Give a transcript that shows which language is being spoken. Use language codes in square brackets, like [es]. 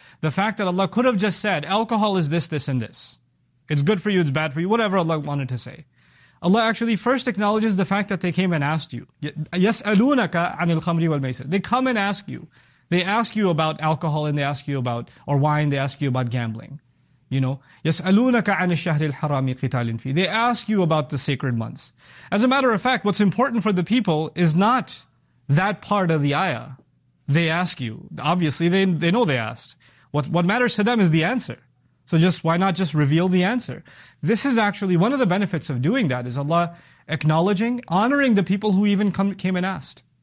[en] The fact that Allah could have just said, alcohol is this, this, and this. It's good for you, it's bad for you, whatever Allah wanted to say. Allah actually first acknowledges the fact that they came and asked you. [ar] يَسْأَلُونَكَ عَنِ الْخَمْرِ وَالْمَيْسِرِ. [en] They come and ask you. They ask you about alcohol and they ask you about, or wine, they ask you about gambling. [ar] You know, يَسْأَلُونَكَ عَنِ الشَّهْرِ الْحَرَامِ قِتَالٍ فِي. [en] They ask you about the sacred months. As a matter of fact, what's important for the people is not that part of the ayah. They ask you. Obviously, they know they asked. What matters to them is the answer. So just why not just reveal the answer? This is actually one of the benefits of doing that is Allah acknowledging, honoring the people who even came and asked.